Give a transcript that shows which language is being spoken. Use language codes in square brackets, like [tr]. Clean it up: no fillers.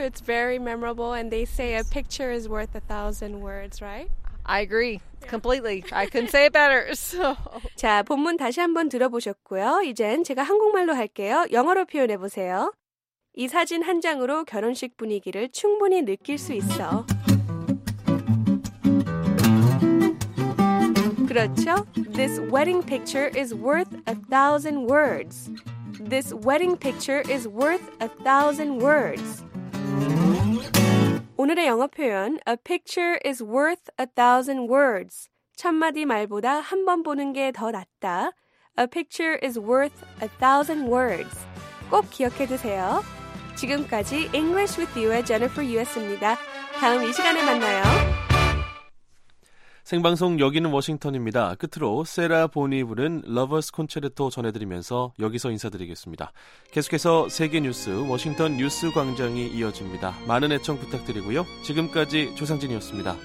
[en] It's very memorable, and they say yes. A picture is worth a thousand words, right? I agree. Yeah. Completely. I couldn't say it better. So. [ko] 자, 본문 다시 한번 들어보셨고요. 이젠 제가 한국말로 할게요. 영어로 표현해 보세요. 이 사진 한 장으로 결혼식 분위기를 충분히 느낄 수 있어. 그렇죠? [en] This wedding picture is worth a thousand words. This wedding picture is worth a thousand words. [ko] 오늘의 영어 표현, [en] a picture is worth a thousand words. [ko] 천 마디 말보다 한 번 보는 게 더 낫다. [en] A picture is worth a thousand words. [ko] 꼭 기억해 두세요. 지금까지 English with You의 Jennifer U.S.입니다. 다음 이 시간에 만나요. 생방송 여기는 워싱턴입니다. 끝으로 세라 보니 부른 러버스 콘체르토 전해드리면서 여기서 인사드리겠습니다. 계속해서 세계 뉴스 워싱턴 뉴스 광장이 이어집니다. 많은 애청 부탁드리고요. 지금까지 조상진이었습니다.